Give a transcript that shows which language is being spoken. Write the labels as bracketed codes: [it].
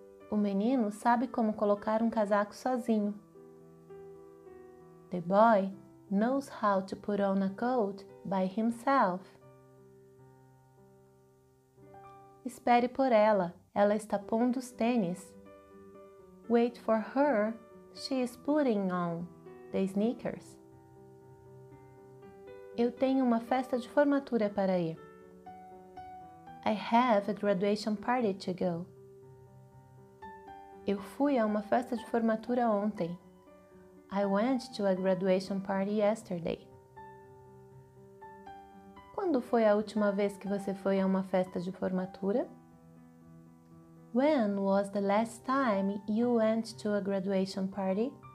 [pt] O menino sabe como colocar um casaco sozinho. [en] The boy knows how to put on a coat by himself. [pt] Espere por ela, ela está pondo os tênis. [en] Wait for her, she is putting on the sneakers. [pt] Eu tenho uma festa de formatura para ir. [en] I have a graduation party to go. [pt] Eu fui a uma festa de formatura ontem. [en] I went to a graduation party yesterday. [pt] Quando foi a última vez que você foi a uma festa de formatura? [en] When was the last time you went to a graduation party?